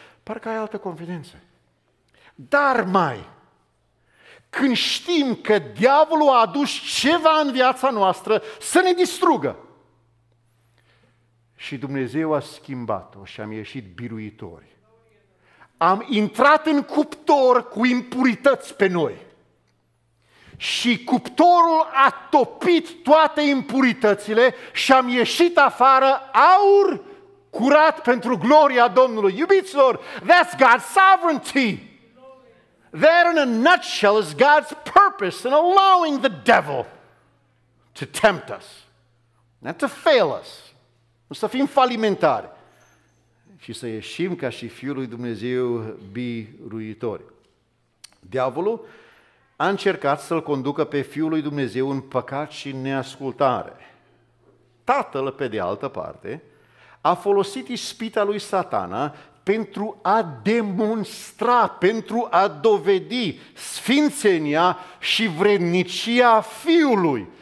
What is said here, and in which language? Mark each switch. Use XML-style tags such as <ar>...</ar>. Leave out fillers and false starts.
<ro>Parcă ai altă confidență. Dar mai, când știm că diavolul a adus ceva în viața noastră să ne distrugă, și Dumnezeu a schimbat-o și am ieșit biruitori, am intrat în cuptor cu impurități pe noi și cuptorul a topit toate impuritățile și am ieșit afară aur curat pentru gloria Domnului. Iubiților,</ro> <en>that's God's sovereignty. That in a nutshell is God's purpose in allowing the devil to tempt us. Not to fail us.</en> <ro>Nu să fim falimentari. Și să ieșim ca și Fiul lui Dumnezeu biruitori. Diavolul a încercat să-L conducă pe Fiul lui Dumnezeu în păcat și neascultare. Tatăl, pe de altă parte, a folosit ispita lui Satana pentru a demonstra, pentru a dovedi sfințenia și vrednicia Fiului.</ro>